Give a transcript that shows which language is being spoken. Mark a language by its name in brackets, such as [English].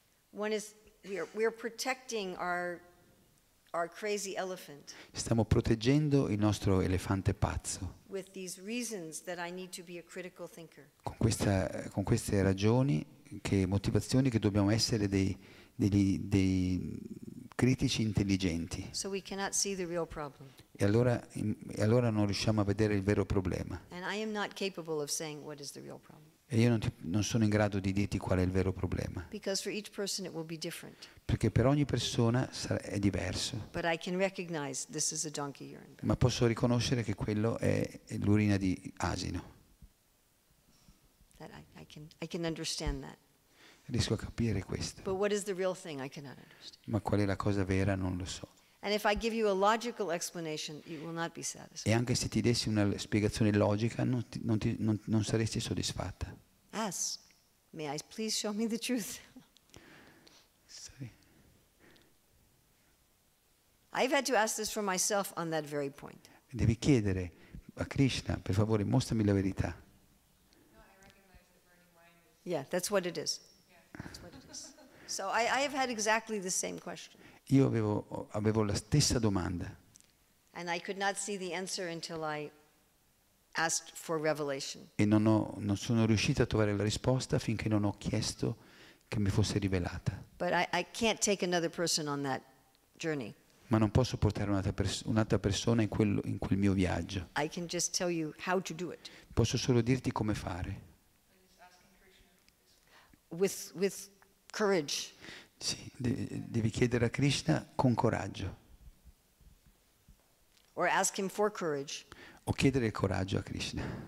[English] One is we are protecting our crazy elephant. [Italian] Stiamo proteggendo il nostro elefante pazzo. [English] With these reasons that I need to be a critical thinker. [Italian] Con queste ragioni, che motivazioni che dobbiamo essere dei critici intelligenti. [English] So we cannot see the real problem. [Italian] E allora non riusciamo a vedere il vero problema. [English] And I am not capable of saying what is the real problem. [Italian] E io non sono in grado di dirti qual è il vero problema. [English] Because for each person it will be different. [Italian] Perché per ogni persona è diverso. [English] But I can recognize this is a donkey urine. [Italian] Ma posso riconoscere che quello è l'urina di asino. [English] That I can understand that. [Italian] Riesco a capire questo. [English] But what is the real thing? I cannot understand. [Italian] Ma qual è la cosa vera? Non lo so. [English] And if I give you a logical explanation, you will not be satisfied. E anche se ti dessi una spiegazione logica, non saresti soddisfatta. Ask. May I please show me the truth? Sorry. I've had to ask this for myself on that very point. [Italian] Devi chiedere a Krishna, per favore, mostrami la verità. [English] Yeah, that's what it is. That's what it is. So I have had exactly the same question. [Italian] Io avevo la stessa domanda. [English] And I could not see the answer until I asked for revelation. [Italian] E non sono riuscito a trovare la risposta finché non ho chiesto che mi fosse rivelata. [English] But I can't take another person on that journey. [Italian] Ma non posso portare un'altra persona in quel mio viaggio. [English] I can just tell you how to do it. [Italian] Posso solo dirti come fare. [English] With courage. [Italian] Sì, devi chiedere a Krishna con coraggio. [English] Or ask him for courage. [Italian] O chiedere il coraggio a Krishna.